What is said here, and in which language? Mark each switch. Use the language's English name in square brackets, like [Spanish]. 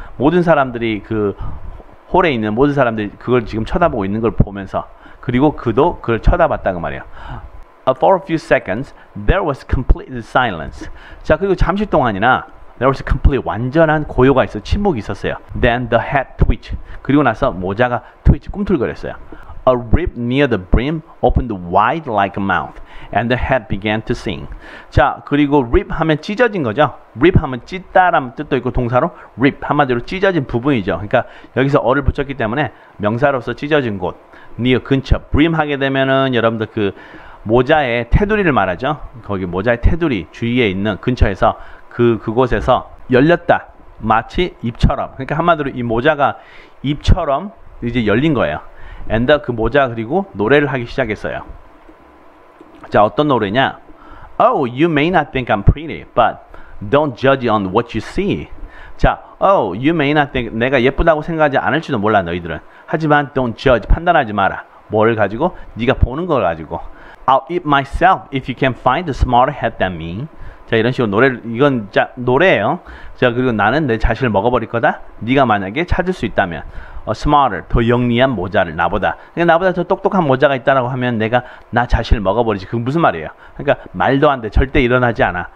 [Korean] 모든 사람들이 그 홀에 있는 모든 사람들이 그걸 지금 쳐다보고 있는 걸 보면서 그리고 그도 그걸 쳐다봤다 그 말이에요. [English] For a few seconds, there was complete silence. [Korean] 자 그리고 잠시 동안이나 [English] There was a complete [Korean] 완전한 고요가 있어 침묵이 있었어요. [English] Then the hat twitched. [Korean] 그리고 나서 모자가 트위치 꿈틀거렸어요. [English] A rib near the brim opened wide like a mouth, and the hat began to sing. [Korean] 자, 그리고 rib 하면 찢어진 거죠. Rib 하면 찢다라는 뜻도 있고 동사로 rib 한마디로 찢어진 부분이죠. 그러니까 여기서 어를 붙였기 때문에 명사로서 찢어진 곳 near 근처 brim 하게 되면은 여러분들 그 모자의 테두리를 말하죠. 거기 모자의 테두리 주위에 있는 근처에서 그곳에서 열렸다. 마치 입처럼. 그러니까 한마디로 이 모자가 입처럼 이제 열린 거예요. And the, 그 모자 그리고 노래를 하기 시작했어요. 자, 어떤 노래냐? [English] Oh, you may not think I'm pretty, but don't judge on what you see. [Korean] 자, [English] oh, you may not think [Korean] 내가 예쁘다고 생각하지 않을지도 몰라 너희들은. 하지만 [English] don't judge [Korean] 판단하지 마라. 뭐를 가지고? 네가 보는 걸 가지고. [English] I'll eat myself if you can find a smarter head than me. [Korean] 자, 이런 식으로 노래를 이건 자, 노래예요. 자, 그리고 나는 내 자신을 먹어버릴 거다. 네가 만약에 찾을 수 있다면 [English] a smarter [Korean] 더 영리한 모자를 나보다. 그러니까 나보다 더 똑똑한 모자가 있다라고 하면 내가 나 자신을 먹어버리지. 그게 무슨 말이에요? 그러니까 말도 안 돼. 절대 일어나지 않아.